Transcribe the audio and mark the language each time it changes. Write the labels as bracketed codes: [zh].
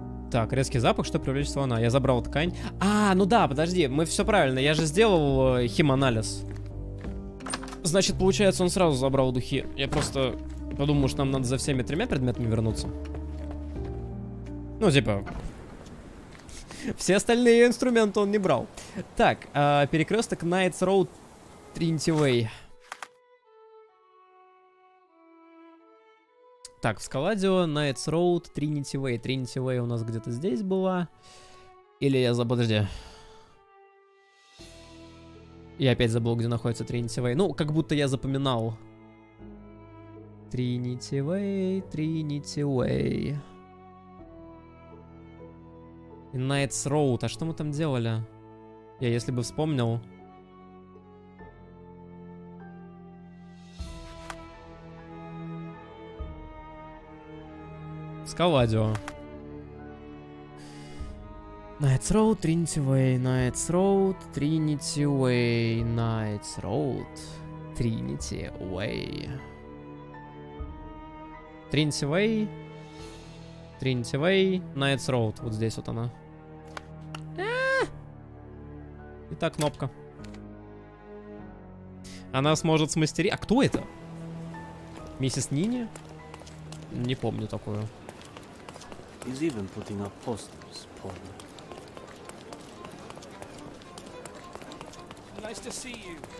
[ru] Так, резкий запах, чтобы привлечь слона. Я забрал ткань. А, ну да, подожди, мы все правильно. Я же сделал химанализ. Значит, получается, он сразу забрал духи. Я просто подумал, что нам надо за всеми тремя предметами вернуться. Ну, типа, все остальные инструменты он не брал. Так, перекресток Knights Road Trinity Way. Так, в Скаладио Knights Road Trinity Way. Trinity Way у нас где-то здесь была. Или я забыл, подожди. Я опять забыл, где находится Trinity Way. Ну, как будто я запоминал. Trinity Way, Trinity Way. И Knight's Road. А что мы там делали? Я если бы вспомнил. Скаладио. Knight's Road, Trinity Way, Knight's Road, Trinity Way, Knight's Road, Trinity Way. Trinity Way, Trinity Way, Knight's Road. Вот здесь вот она. Итак, кнопка. Она сможет смастерить... А кто это? Миссис Нини? Не помню такую. [en] He's even putting up posters, poor man. Nice to see you.